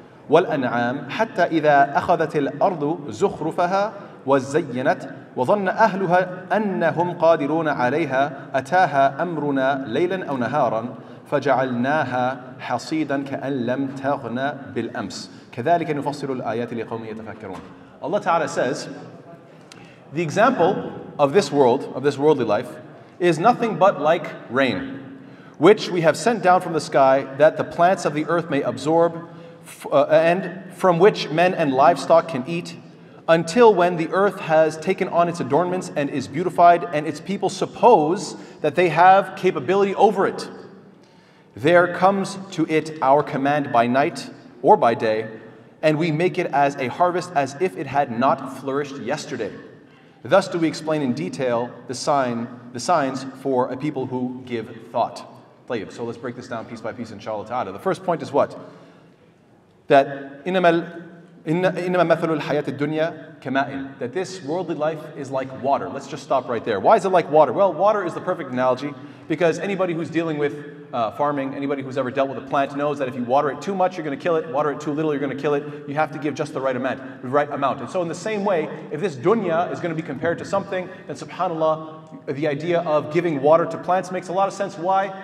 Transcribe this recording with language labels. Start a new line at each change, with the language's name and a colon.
Arabic: والأنعام حتى إذا أخذت الأرض زخرفها وزينت وظن أهلها أنهم قادرون عليها أتاها أمرنا ليلا أو نهارا فجعلناها حصيدا كأن لم تغن بالأمس كذلك نفصل الآيات لقوم يتفكرون.
English: Allah Ta'ala says, the example of this world, of this worldly life, is nothing but like rain, which we have sent down from the sky that the plants of the earth may absorb and from which men and livestock can eat, until when the earth has taken on its adornments and is beautified and its people suppose that they have capability over it. There comes to it our command by night or by day, and we make it as a harvest as if it had not flourished yesterday. Thus do we explain in detail the signs for a people who give thought. So let's break this down piece by piece, inshallah ta'ala. The first point is what? That
Arabic: إِنَّمَا مَثَلُ الْحَيَاةِ الدُّنْيَا كَمَاءٍ.
English: That this worldly life is like water. Let's just stop right there. Why is it like water? Well, water is the perfect analogy, because anybody who's dealing with farming, anybody who's ever dealt with a plant knows that if you water it too much, you're going to kill it. Water it too little, you're going to kill it. You have to give just the right amount. And so in the same way, if this dunya is going to be compared to something, then subhanAllah, the idea of giving water to plants makes a lot of sense. Why?